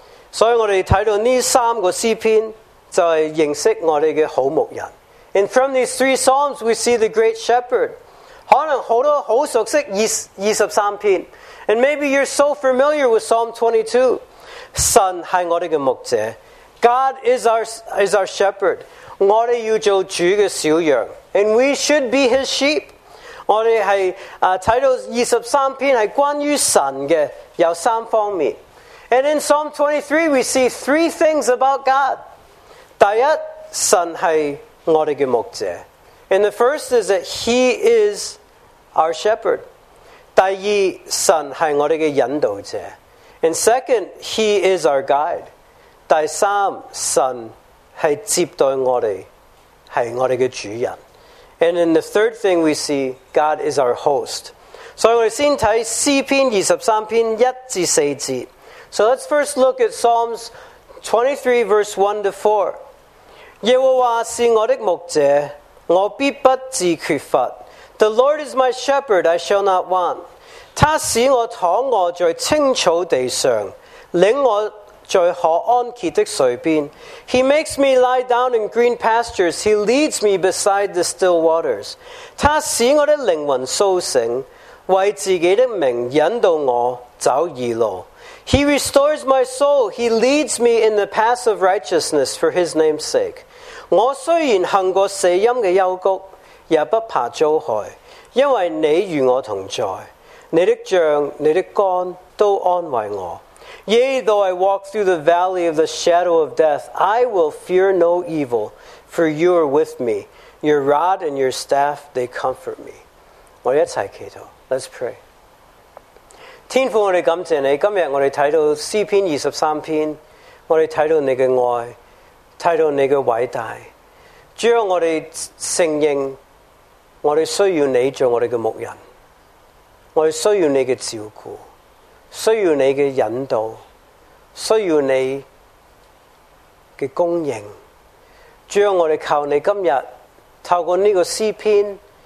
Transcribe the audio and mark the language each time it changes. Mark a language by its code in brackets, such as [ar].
[zh] 所以我们看到这三个诗篇就是认识我们的好牧人。 [en] And from these three psalms, we see the great shepherd. [zh] 可能很多很熟悉23篇。 [en] And maybe you're so familiar with Psalm 22. [zh] 神是我们的牧者。 [en] God is our shepherd. [zh] 我们要做主的小羊。 [en] And we should be his sheep. [zh] 我们是看到23篇是关于神的有三方面。 [en] And in Psalm 23, we see three things about God. [zh] 第一，神是我们的牧者。 [en] And the first is that He is our shepherd. [zh] 第二，神是我们的引导者。 [en] And second, He is our guide. [zh] 第三，神是接待我们，是我们的主人。 [en] And in the third thing we see, God is our host. [zh] 所以我们先看诗篇23篇一至四节。 [en] So let's first look at Psalms 23, verse 1 to 4. [zh] 耶和华是我的牧者，我必不致缺乏。 [en] The Lord is my shepherd, I shall not want. [zh] 他使我躺卧在青草地上，领我在可安歇的水边。 [en] He makes me lie down in green pastures. He leads me beside the still waters. [zh] 他使我的灵魂苏醒，为自己的名引导我走义路。 [en] He restores my soul. He leads me in the paths of righteousness for His name's sake. [zh] 我虽然行过死荫的幽谷，也不怕遭害，因为你与我同在。你的杖、你的竿都安慰我。 [en] Yea, though I walk through the valley of the shadow of death, I will fear no evil, for you are with me. Your rod and your staff, they comfort me. [zh] 我一起祈祷。 [en] Let's pray. [zh] 天父，我们感谢你。今天我们看到诗篇23篇，我们看到你的爱，看到你的伟大。主要我们承认我们需要你做我们的牧人，我们需要你的照顾，需要你的引导，需要你的供应。主要我们靠你今天透过这个诗篇，